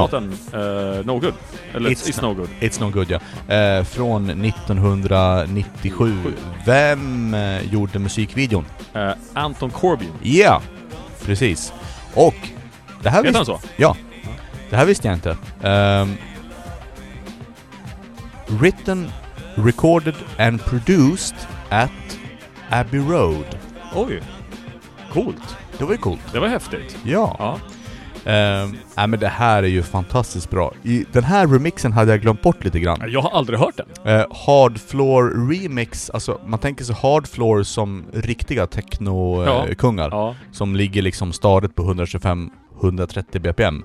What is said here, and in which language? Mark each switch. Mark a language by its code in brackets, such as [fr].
[sv] Låten No Good. Eller it's No Good. It's No Good, ja. Från 1997. Vem gjorde musikvideon? Anton Corbijn. Ja, yeah, precis. Och det här visste... Ja, det här visste jag inte. [en] Written, recorded and produced at Abbey Road. [sv] Oj, coolt. Det var ju coolt. Det var häftigt. Ja. Ja. Men det här är ju fantastiskt bra. I den här remixen hade jag glömt bort lite grann. Jag har aldrig hört den. Hardfloor remix, alltså man tänker sig Hardfloor som riktiga techno kungar som ligger liksom stadigt på 125-130 bpm.